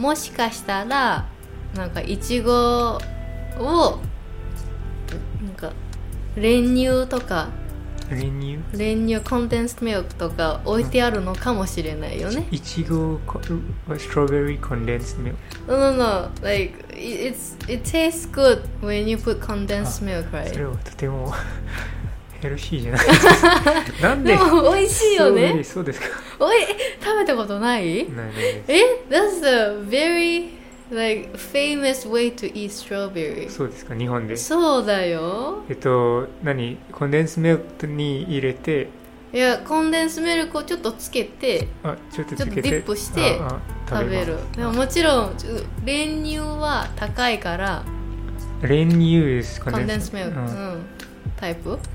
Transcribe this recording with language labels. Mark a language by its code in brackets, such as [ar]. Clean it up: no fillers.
[ja] もしかしたらなんかイチゴをなんか練乳とか練乳コンデンスミルクとか置いてあるのかもしれないよね。いちご、ストロベリーコンデンスミルク。 [en] No. Like, it tastes good when you put condensed milk, right? [ja] それはとてもヘルシーじゃないですか。なんで？でも美味しいよね。そうですか。おい、食べたことない？ないです。 [en] え、That's a very like famous way to eat strawberry。 [ja] そうですか、日本で。そうだよ。何、コンデンスミルクに入れて。いや、コンデンスミルクをちょっとつけて。あ、ちょっとつけて、ちょっとディップして食べる。でももちろん練乳は高いから。練乳is コンデンスミルク、うん、タイプ